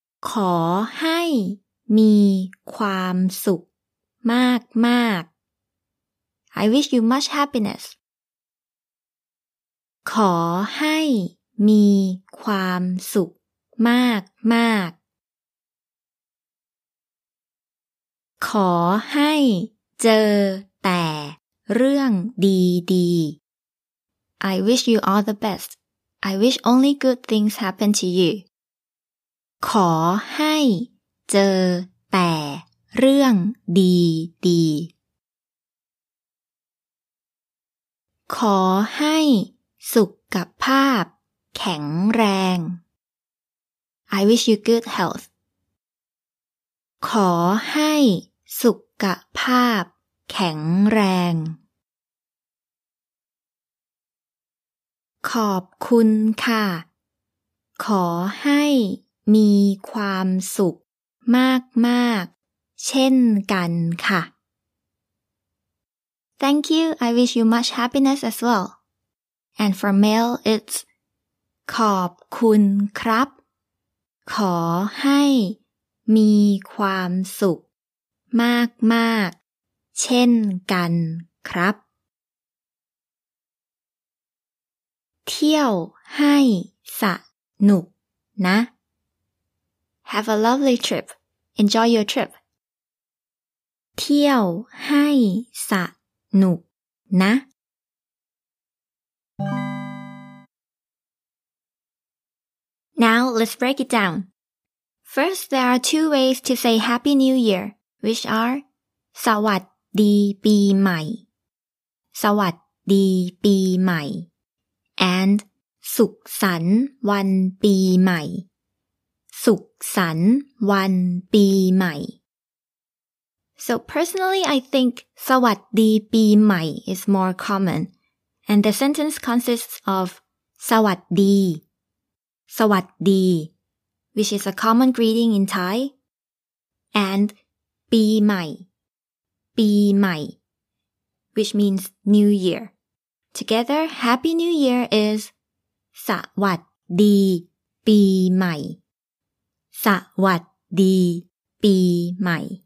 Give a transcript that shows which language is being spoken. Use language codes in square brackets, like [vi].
[th] ขอให้มีความสุขมากๆ [en] I wish you much happiness [th] ขอให้มีความสุขมากมากขอให้เจอแต่เรื่องดีดี [en] I wish you all the best. I wish only good things happen to you. [th] ขอให้เจอแต่เรื่องดีดีขอให้สุขภาพแข็งแรง [en] I wish you good health. [th] ขอให้สุขภาพแข็งแรงขอบคุณค่ะขอให้มีความสุขมากๆเช่นกันค่ะ [en] Thank you. I wish you much happiness as well. And for male, it's [th] ขอบคุณครับขอให้มีความสุขมากๆเช่นกันครับเที่ยวให้สนุกนะ [en] Have a lovely trip. Enjoy your trip. [th] เที่ยวให้สนุกนะ [en] Now, let's break it down. First, there are two ways to say Happy New Year, which are [th] สวัสดีปีใหม่ สวัสดีปีใหม่ and สุขสันต์วันปีใหม่ สุขสันต์วันปีใหม่ [en] So personally, I think [th] สวัสดีปีใหม่ [en] is more common, and the sentence consists of [th] สวัสดีสวัสดี [en] which is a common greeting in Thai, and ปีใหม่ปีใหม่ which means New Year. Together, Happy New Year is [th] สวัสดีปีใหม่ สวัสดีปีใหม่.